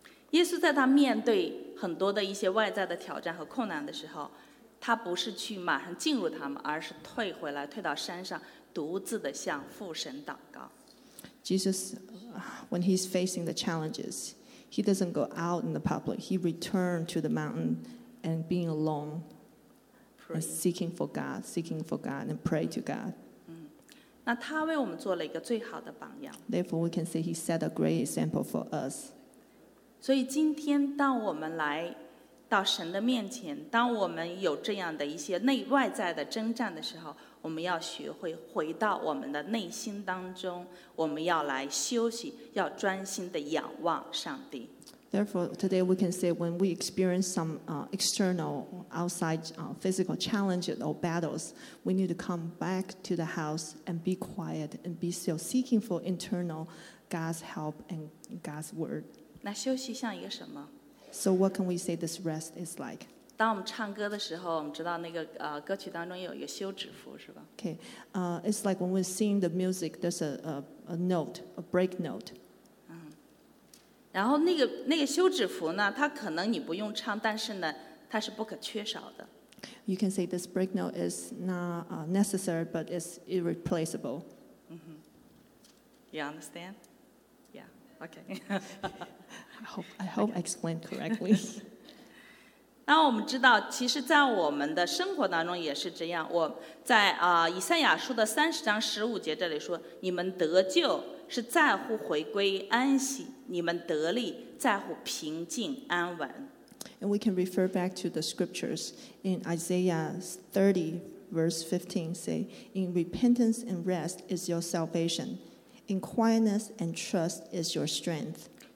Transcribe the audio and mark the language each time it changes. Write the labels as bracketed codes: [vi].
[zh] 耶稣在他面对很多的一些外在的挑战和困难的时候， 他不是去马上进入他们，而是退回来，退到山上，独自的向父神祷告。Jesus, [en] when he's facing the challenges, he doesn't go out in the public. He returned to the mountain and being alone, and seeking for God, and pray to God. [zh] 那他为我们做了一个最好的榜样。 [en] Therefore, we can say he set a great example for us. [zh] 所以今天当我们来 到神的面前，当我们有这样的一些内外在的征战的时候，我们要学会回到我们的内心当中，我们要来休息，要专心的仰望上帝。 [en] Therefore, today we can say when we experience some external, outside physical challenges or battles, we need to come back to the house and be quiet and be still seeking for internal God's help and God's word. [zh] 那休息像一个什么？ [en] So what can we say this rest is like? [zh] 当我们唱歌的时候，我们知道那个 歌曲当中有一个休止符， 是吧？ [en] Okay, it's like when we sing the music, there's a note, a break note. [zh] 然后那个休止符呢， 它可能你不用唱，但是呢， 它是不可缺少的。 [en] You can say this break note is not necessary, but it's irreplaceable. Mm-hmm. You understand? Yeah, okay. I hope I explained correctly. [zh] 那我们知道，其实，在我们的生活当中也是这样。我在以赛亚书的30章15节这里说：“你们得救是在乎回归安息，你们得力在乎平静安稳。” [en] We can refer back to the scriptures in Isaiah 30, verse 15, say, "In repentance and rest is your salvation; in quietness and trust is your strength."